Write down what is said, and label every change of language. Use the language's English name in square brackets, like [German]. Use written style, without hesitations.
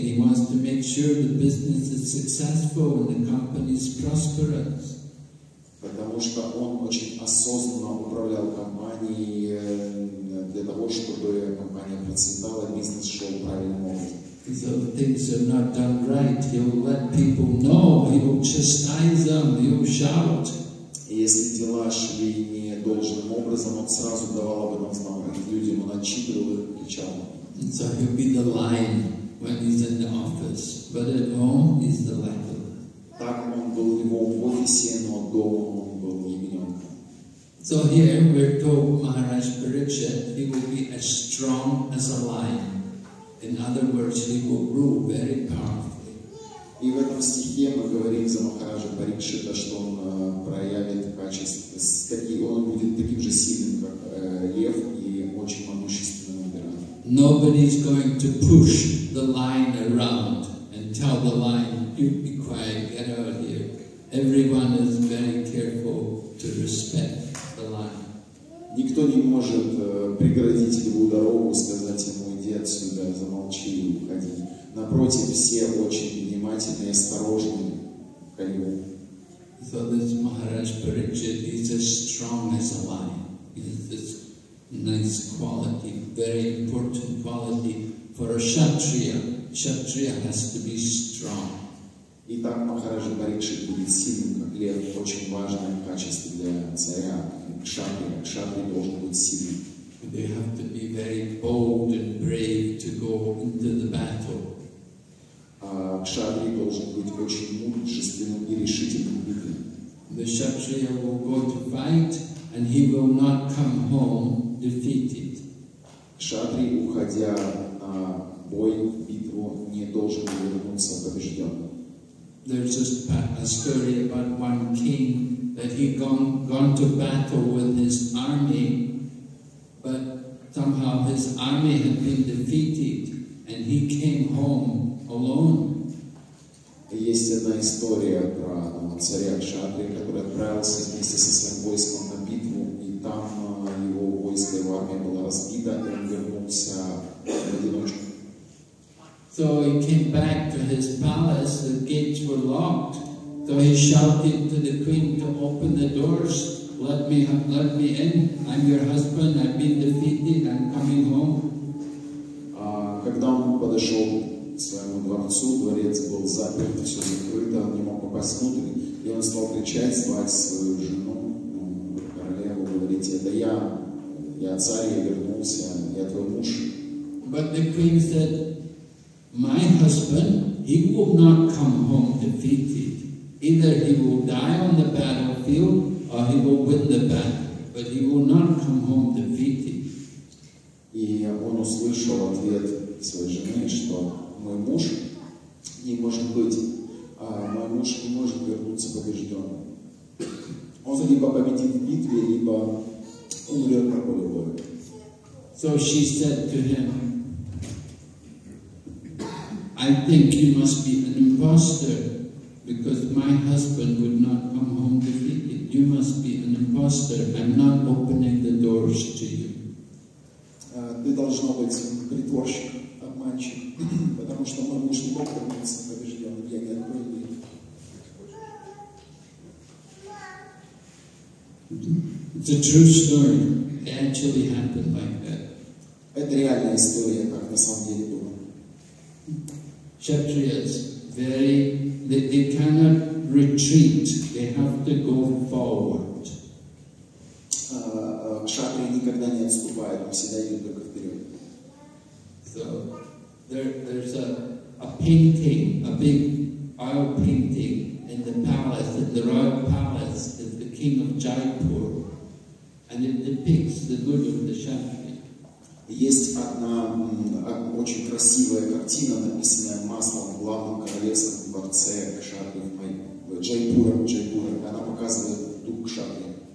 [English] He wants to make sure the business is successful and the company is prosperous. [Russian] Потому что он очень осознанно управлял компанией для того, чтобы компания процветала, бизнес шел правильным образом. [English] So if things are not done right, he'll let people know, he'll chastise them, he'll shout. [Russian] Если дела шли не должным образом, он сразу давал об этом знать людям, он отчитывал их, кричал. [English] So he'll be the lion when he's in the office, but at home he's the lion. [Russian] Так он был у него в офисе, но дома он был ягненком. [English] So here we're told Maharaj Parikshit, he will be as strong as a lion. In other words, he will rule very powerfully. [Russian] И в этом стихе мы говорим за Махараджа Парикшита, что он проявит качество, и он будет таким же сильным, как лев, и очень могущественным императором. [English] Nobody's going to push the lion around and tell the lion, you be quiet, get out of here. Everyone is very careful to respect the lion. [Russian] Никто не может преградить его дорогу, сказать ему, иди отсюда, замолчи и уходи. Напротив, все очень внимательны и осторожны к нему. [English] So this Maharaj Parikshit is as strong as a lion. It's this nice quality, very important quality for a kshatriya. Kshatriya has to be strong. [Russian] Итак, Махарадж Парикшит будет сильным, как лев, очень важное качество для царя. Кшатрия. Кшатрия должен быть сильным. [English] They have to be very bold and brave to go into the battle. [Russian] Кшатрия должен быть очень мужественным и решительным битвом. [English] The Kshatriya will go to fight and he will not come home defeated. [Russian] Кшатрия, уходя на бой, в битву, не должен вернуться побежденным. [English] There's just a story about one king that he gone to battle with his army, but somehow his army had been defeated and he came home alone. [Russian] Есть одна история про царя Кшатрия, который отправился вместе со своим войском на битву, и там его войско, его армия была разбита, и он вернулся в одиночку. [English] So he came back to his palace, the gates were locked. So he shouted to the queen to open the doors, let me in, I'm your husband, I've been defeated, I'm coming home. [Russian] Когда он подошел к своему дворцу, дворец был заперт, все закрыто, он не мог попасть внутрь, и он стал кричать, звать свою жену, королеву, говорить, это я царь, я вернулся, я твой муж. [English] But the queen said, my husband, he will not come home defeated. Either he will die on the battlefield, or he will win the battle. But he will not come home defeated. [Russian] И он услышал ответ своей жены, что мой муж не может вернуться побежденным. Он либо победит в битве, либо умрет на поле боя. [English] So she said to him, I think you must be an imposter because my husband would not come home defeated. You must be an imposter. I'm not opening the doors to you. [Russian] Ты должно быть притворщик, обманщик, потому что мой муж не мог вернуться побежденным. Я не открою дверь. [English] It's a true story. It actually happened like that. [Russian] Это реальная история, как на самом деле было. [English] Kshatriyas, they cannot retreat, they have to go forward. [Russian] Кшатрия никогда не отступает, он всегда идет только вперед. [English] So, there's a painting, a big oil painting in the palace, in the royal palace, of the king of Jaipur, and it depicts the Guru of the Shastri. [Russian] Есть одна очень красивая картина, написанная маслом в главном королевском дворце Кшатри в Джайпуре. Она показывает дух Кшатри.